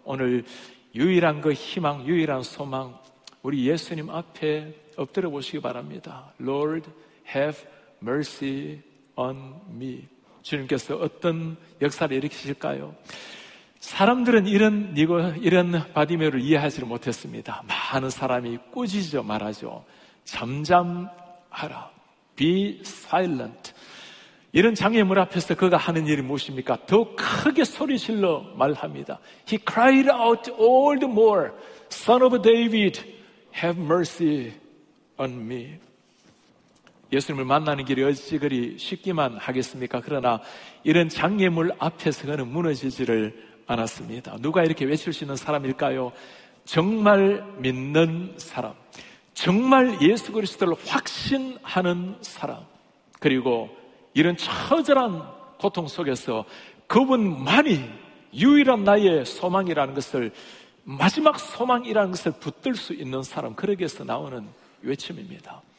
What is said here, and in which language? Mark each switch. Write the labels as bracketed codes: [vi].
[ko] 오늘 유일한 그 희망, 유일한 소망, 우리 예수님 앞에 엎드려 보시기 바랍니다. [en] Lord, have mercy on me. [ko] 주님께서 어떤 역사를 일으키실까요? 사람들은 이런 바디메오를 이해하지 못했습니다. 많은 사람이 꾸짖어 말하죠. 잠잠하라, [en] be silent. [ko] 이런 장애물 앞에서 그가 하는 일이 무엇입니까? 더 크게 소리질러 말합니다. [en] He cried out all the more, Son of David, have mercy on me. [ko] 예수님을 만나는 길이 어찌 그리 쉽기만 하겠습니까? 그러나 이런 장애물 앞에서 그는 무너지지를 않았습니다. 누가 이렇게 외칠 수 있는 사람일까요? 정말 믿는 사람, 정말 예수 그리스도를 확신하는 사람, 그리고 이런 처절한 고통 속에서 그분만이 유일한 나의 소망이라는 것을, 마지막 소망이라는 것을 붙들 수 있는 사람, 그러기에서 나오는 외침입니다.